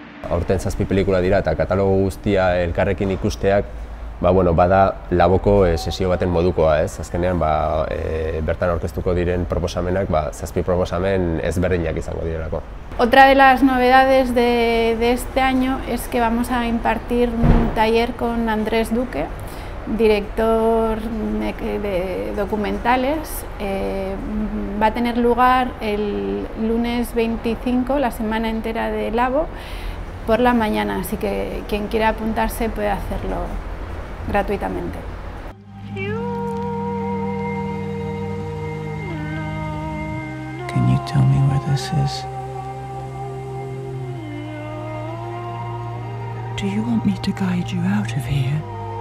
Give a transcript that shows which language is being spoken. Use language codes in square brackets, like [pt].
[eu] Aurten 7 pelikula dira eta katalogo guztia elkarrekin ikusteak bada Laboko sesio baten modukoa, ez? Azkenean bertan aurkeztuko diren proposamenak 7 proposamen ezberdinak izango direlako. [es] Otra de las novedades de este año es que vamos a impartir un taller con Andrés Duque, director de documentales. Va a tener lugar el lunes 25, la semana entera de Labo, por la mañana, así que quien quiera apuntarse puede hacerlo gratuitamente. [en] Can you tell me where this is? Do you want me to guide you out of here?